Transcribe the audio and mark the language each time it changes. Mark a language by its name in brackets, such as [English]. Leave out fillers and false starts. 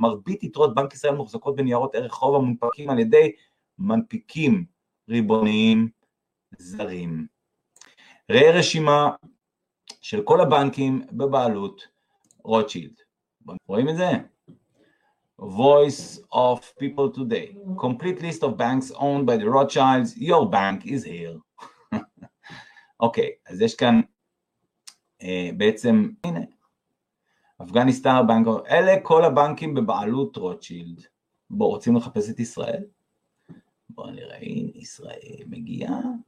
[Hebrew] מרבית יתרות בנק ישראל מוחזקות בניירות ערך חוב המונפקים על ידי מנפיקים ריבוניים זרים. ראה רשימה של כל הבנקים בבעלות רוטשילד. רואים את זה? Voice of People Today. [English] Complete list of banks owned by the Rothschilds. Your bank is here. [Hebrew] אוקיי, אז יש כאן בעצם, הנה, אפגניסטן בנק, אלה כל הבנקים בבעלות רוטשילד. בואו, רוצים לחפש את ישראל? בואו נראה, הנה, ישראל מגיעה.